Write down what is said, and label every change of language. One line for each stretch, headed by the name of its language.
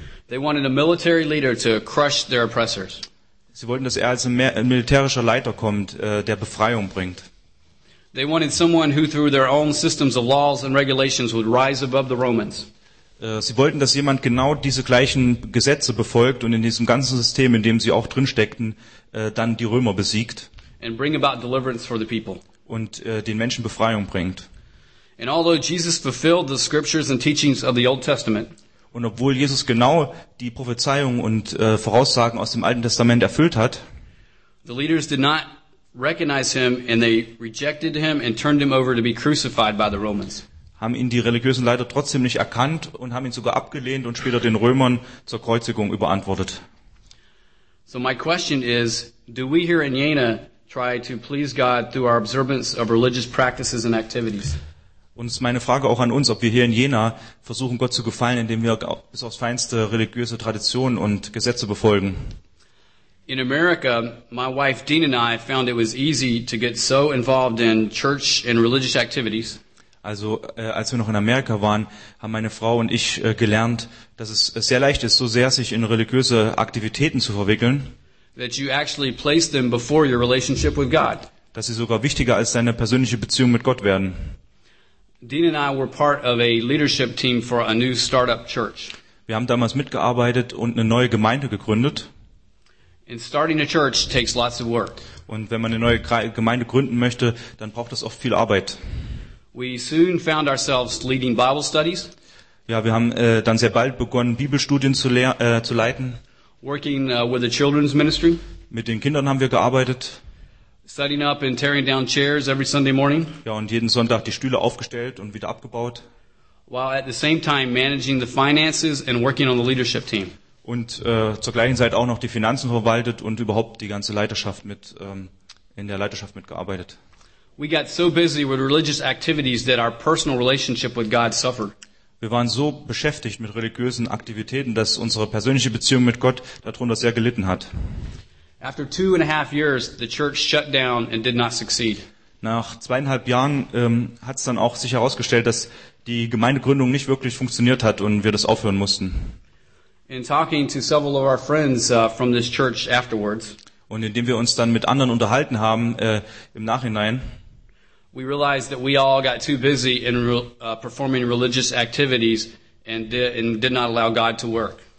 English: They wanted a military leader to crush their oppressors.
German: Sie wollten, dass er als ein militärischer Leiter kommt, der Befreiung bringt.
English: They wanted someone who through their own systems of laws and regulations would rise above the Romans.
German: Sie wollten, dass jemand genau diese gleichen Gesetze befolgt und in diesem ganzen System, in dem sie auch drin steckten, dann die Römer besiegt.
English: And bring about deliverance for the people.
German: Und den Menschen Befreiung bringt.
English: And although Jesus fulfilled the scriptures and teachings of the Old Testament.
German: Und obwohl Jesus genau die Prophezeiungen und Voraussagen aus dem Alten Testament erfüllt hat,
English: the leaders did not recognize him and they rejected him and turned him over to be crucified by the Romans.
German: Haben ihn die religiösen Leiter trotzdem nicht erkannt und haben ihn sogar abgelehnt und später den Römern zur Kreuzigung überantwortet.
English: So my question is, do we here in Jena try to please God through our observance of religious practices and activities?
German: Und es ist meine Frage auch an uns, ob wir hier in Jena versuchen, Gott zu gefallen, indem wir bis aufs Feinste religiöse Traditionen und Gesetze befolgen.
English: In America, my wife Dean and I found it was easy to get so involved in church and religious activities.
German: Also, als wir noch in Amerika waren, haben meine Frau und ich gelernt, dass es sehr leicht ist, so sehr sich in religiöse Aktivitäten zu verwickeln,
English: that you actually place them before your relationship with God.
German: Dass sie sogar wichtiger als deine persönliche Beziehung mit Gott werden.
English: Dean and I were part of a leadership team for a new startup church.
German: Wir haben damals mitgearbeitet und eine neue Gemeinde gegründet.
English: And starting a church takes lots of work.
German: Und wenn man eine neue Gemeinde gründen möchte, dann braucht das oft viel Arbeit.
English: We soon found ourselves leading Bible studies.
German: Ja, wir haben dann sehr bald begonnen, Bibelstudien zu leiten.
English: Working with the children's ministry.
German: Mit den Kindern haben wir gearbeitet.
English: Setting up and tearing down chairs every Sunday morning.
German: Ja, und jeden Sonntag die Stühle aufgestellt und wieder abgebaut.
English: While at the same time managing the finances and working on the leadership team.
German: Und zur gleichen Zeit auch noch die Finanzen verwaltet und überhaupt die ganze Leiterschaft mit in der Leiterschaft mitgearbeitet.
English: We got so busy with religious activities that our personal relationship with God suffered.
German: Wir waren so beschäftigt mit religiösen Aktivitäten, dass unsere persönliche Beziehung mit Gott darunter sehr gelitten hat.
English: After 2.5 years, the church shut down and did not succeed.
German: Nach 2.5 Jahren hat es dann auch sich herausgestellt, dass die Gemeindegründung nicht wirklich funktioniert hat und wir das aufhören mussten.
English: In talking to several of our friends from this church afterwards.
German: Und indem wir uns dann mit anderen unterhalten haben im Nachhinein.
English: We realized that we all got too busy in performing religious activities and did not allow God to work.